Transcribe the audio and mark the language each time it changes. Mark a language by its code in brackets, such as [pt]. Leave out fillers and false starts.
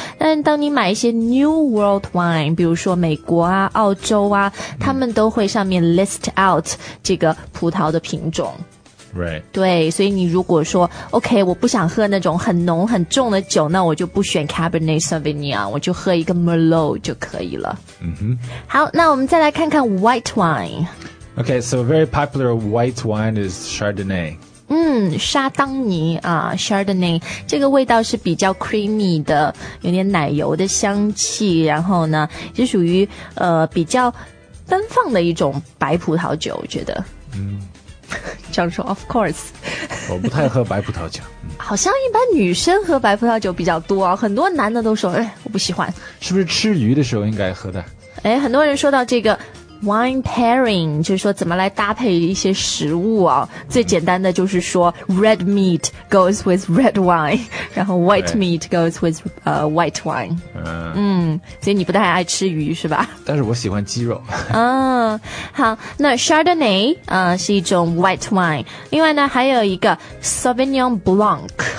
[zh] 但当你买一些 New World Wine, 比如说美国啊、澳洲啊，他们都会上面 list out 这个葡萄的品种。 [en] Right. [zh] 对，所以你如果说 OK, 我不想喝那种很浓很重的酒，那我就不选 Cabernet Sauvignon, 我就喝一个 Merlot 就可以了。好，那我们再来看看 White Wine. [en] Okay, so a very popular white wine is Chardonnay. [zh] 沙当尼啊 ,Chardonnay, 这个味道是比较 creamy 的，有点奶油的香气，然后呢是属于比较奔放的一种白葡萄酒，我觉得。这样说 , [en] of course. [zh] 我不太喝白葡萄酒。好像一般女生喝白葡萄酒比较多啊，很多男的都说，哎，我不喜欢。是不是吃鱼的时候应该喝的？哎，很多人说到这个 wine pairing， 就是说怎么来搭配一些食物啊。最简单的就是说 [en] red meat goes with red wine， [zh] 然后 [en] white meat goes with white wine。 [zh] 所以你不太爱吃鱼是吧？但是我喜欢鸡肉。好，那 Chardonnay 是一种 white wine。另外呢，还有一个 Sauvignon Blanc。